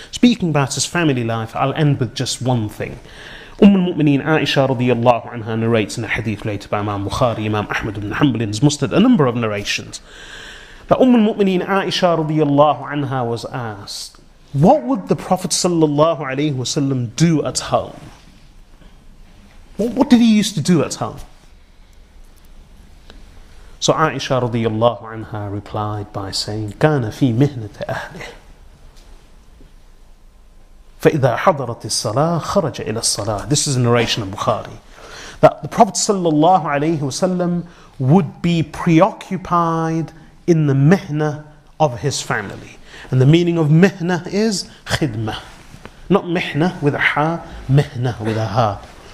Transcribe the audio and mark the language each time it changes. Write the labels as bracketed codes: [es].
[en] Speaking about his family life, I'll end with just one thing. Ummul Mu'mineen Aisha radiallahu anha narrates in a hadith related by Imam Bukhari, Imam Ahmad ibn Hanbal in his Musnad, a number of narrations. That Ummul Mu'mineen Aisha radiallahu anha was asked, what would the Prophet sallallahu alayhi wa sallam do at home? What did he used to do at home? So Aisha radiallahu anha replied by saying, [ar] كَانَ فِي مِهْنَةِ أَهْلِهِ فَإِذَا حَضَرَتِ الصَّلَاةِ خَرَجَ إِلَى الصَّلَاةِ. [en] This is a narration of Bukhari. That the Prophet sallallahu alayhi wa sallam would be preoccupied in the mihna of his family. And the meaning of mihna is khidma. Not mihna with a ha, mihna with a ha.